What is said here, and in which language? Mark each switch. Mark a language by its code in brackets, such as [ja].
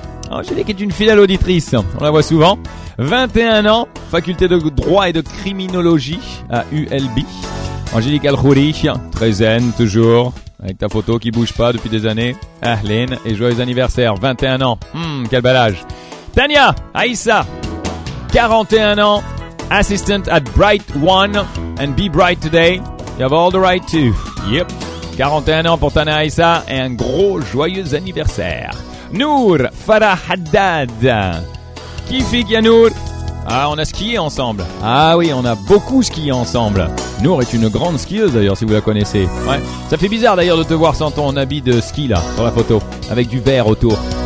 [fr] Angélique est une fidèle auditrice, on la voit souvent. 21 ans, faculté de droit et de criminologie à ULB. Angélique Al-Khoury, très zen toujours, avec ta photo qui bouge pas depuis des années. Ahlène, et joyeux anniversaire, 21 ans, quel bel âge. [en] Tania Aïssa, [fr] 41 ans, [en] assistant at Bright One, and be bright today, you have all the right to. [fr] Yep, 41 ans pour Tania Aïssa, et un gros joyeux anniversaire. Nour Farah Haddad. Qui fait qu'il y a Nour? Ah, on a skié ensemble. Ah oui, on a beaucoup skié ensemble. Nour est une grande skieuse d'ailleurs, si vous la connaissez. Ouais. Ça fait bizarre d'ailleurs de te voir sans ton habit de ski là, dans la photo, avec du vert autour.